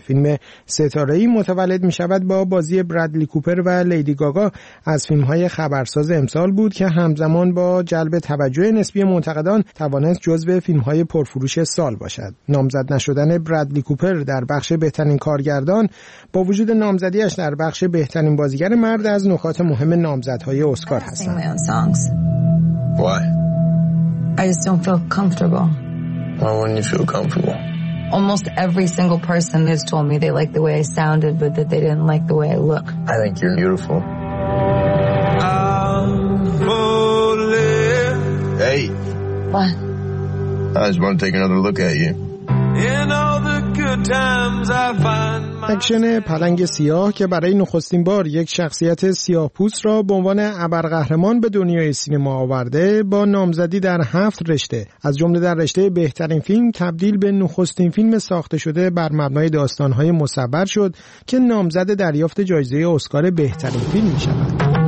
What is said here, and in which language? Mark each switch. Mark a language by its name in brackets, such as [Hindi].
[Persian] فیلم ستاره‌ای متولد می‌شود با بازی برادلی کوپر و لیدی گاگا از فیلم‌های خبرساز امسال بود که همزمان با جلب توجه نسبی منتقدان توانست جزو فیلم‌های پرفروش سال باشد. نامزد نشدن برادلی کوپر در بخش بهترین کارگردان با وجود نامزدیش در بخش بهترین بازیگر مرد از نکات مهم نامزدهای اسکار هستند. [English] Why? I just don't feel comfortable. Why wouldn't you feel comfortable? Almost every single person has told me they like the way I sounded, but that they didn't like the way I look. I think you're beautiful. Hey. What? I just want to take another look at you. [Persian] اکشن پلنگ سیاه که برای نخستین بار یک شخصیت سیاه پوست را به عنوان ابرقهرمان به دنیای سینما آورده با نامزدی در 7 رشته از جمله در رشته بهترین فیلم تبدیل به نخستین فیلم ساخته شده بر مبنای داستانهای مصور شد که نامزد دریافت جایزه اسکار بهترین فیلم می شود.